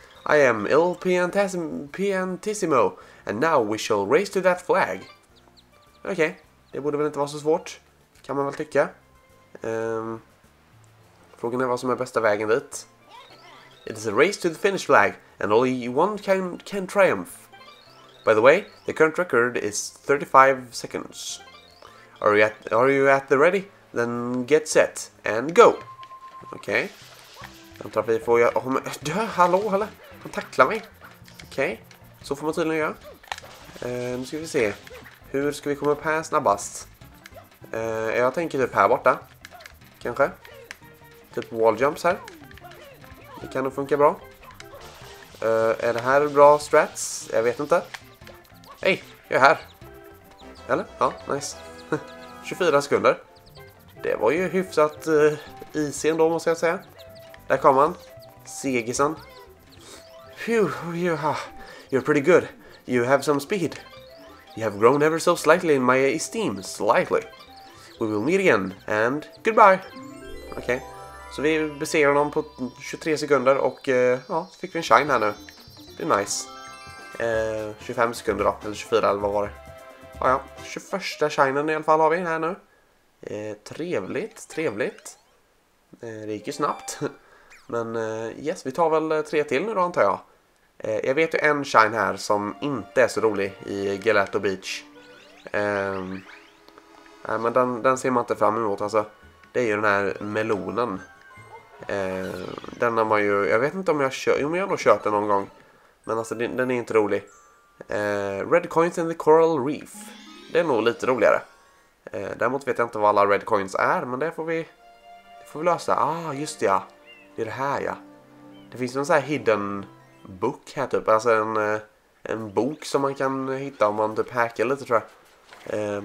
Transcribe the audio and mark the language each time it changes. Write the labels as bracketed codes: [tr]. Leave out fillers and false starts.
[en] I am Il Piantissimo, and now we shall race to that flag. [sv] Okej, det borde väl inte vara så svårt. Kan man väl tycka. Frågan är vad som är bästa vägen dit. [en] It is a race to the finish flag, and only one can triumph. By the way, the current record is 35 seconds. Are you at the ready? Then get set and go. [sv] Okej. Den tar vi får jag. Oh, men, dö, hallå, hallå. Han tacklar mig. Okej. Så får man tydligen göra. Nu ska vi se. Hur ska vi komma upp här snabbast? Jag tänker typ här borta. Kanske. Typ wall jumps här. Det kan nog funka bra. Är det här bra strats? Jag vet inte. Hej, jag är här. Eller? Ja, nice. 24 sekunder. Det var ju hyfsat easy ändå, måste jag säga. Där kom han. Segisen. [en] You're pretty good. You have some speed. You have grown ever so slightly in my esteem. Slightly. We will meet again. And goodbye. [sv] Okej. Så vi besegrar honom på 23 sekunder och ja, så fick vi en shine här nu. Det är nice. 25 sekunder då, eller 24 eller vad var det? Ja, 21 shinen i alla fall har vi här nu. Trevligt. Det gick ju snabbt. Men yes, vi tar väl 3 till nu då antar jag. Jag vet ju en shine här som inte är så rolig i Gelato Beach. Men den ser man inte fram emot alltså. Det är ju den här melonen. Den har man ju, jag vet inte om jag kör, jo men jag har nog kört den någon gång. Men alltså den är inte rolig. [en] Red coins in the coral reef. [sv] Det är nog lite roligare. Däremot vet jag inte vad alla red coins är, men det får vi lösa. Ah, just det, ja. Det är det här, ja. Det finns en sån här hidden book här typ. Alltså en bok som man kan hitta om man typ hackar lite tror jag.